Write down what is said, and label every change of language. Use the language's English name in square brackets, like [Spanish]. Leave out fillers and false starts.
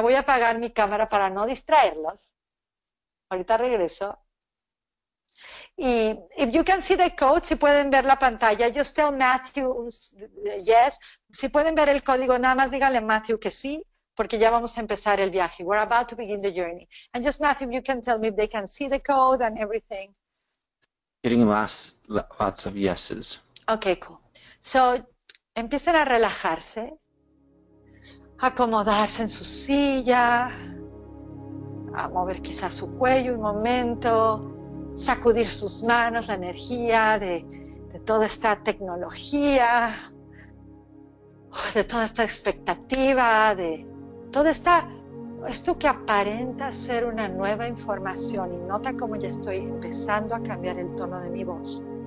[Spanish] Voy a apagar mi cámara para no distraerlos. Ahorita regreso. [English] Y if you can see the code, [Spanish] si pueden ver la pantalla, [English] just tell Matthew yes. [Spanish] Si pueden ver el código, nada más díganle a Matthew que sí, porque ya vamos a empezar el viaje. [English] We're about to begin the journey. And just Matthew, you can tell me if they can see the code and everything. Getting lots of yeses. Okay, cool. [Spanish] So, empiecen a relajarse, acomodarse en su silla, a mover quizás su cuello un momento, sacudir sus manos, la energía de toda esta tecnología, de toda esta expectativa, de todo esto que aparenta ser una nueva información, y nota cómo ya estoy empezando a cambiar el tono de mi voz.